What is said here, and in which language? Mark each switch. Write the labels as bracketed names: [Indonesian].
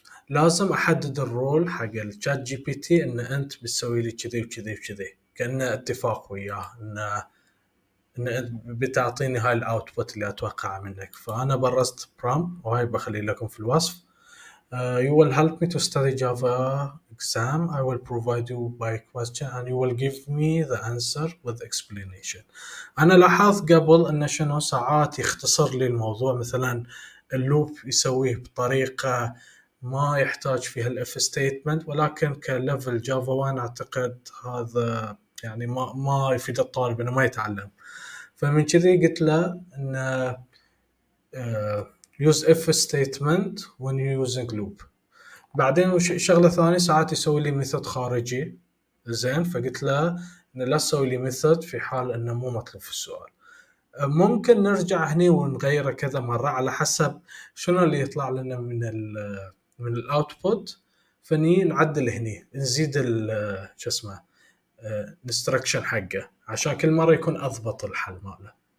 [Arabic] لازم أحدد الرول حق الشات جي بي تي إن أنت بتسوي لي كذي وكذي وكذي، كأنه اتفاق وياه إن أنت بتعطيني هاي الأوتبوت اللي أتوقعها منك. فأنا برست برام وهاي بخلي لكم في الوصف. [English] You will help me to study Java exam. I will provide you by question and you will give me the answer with explanation. [Arabic] أنا لاحظت قبل أن شنو ساعات يختصر لي الموضوع، مثلا اللوب يسويه بطريقة ما يحتاج فيها الـ if statement، ولكن كليفل Java 1 أعتقد هذا يعني ما يفيد الطالب أنه ما يتعلم. فمن كذي قلت له أنه [English] use if statement when you're using loop. [Arabic] بعدين شغلة ثانية ساعات يسوي لي method خارجي، زين فقلت له إن لا تسوي لي method في حال انه مو مطلوب في السؤال. ممكن نرجع هني ونغيره كذا مرة على حسب شنو اللي يطلع لنا من الـ output، فني نعدل هني نزيد الـ شو اسمه instruction حقه عشان كل مرة يكون اضبط الحل ماله.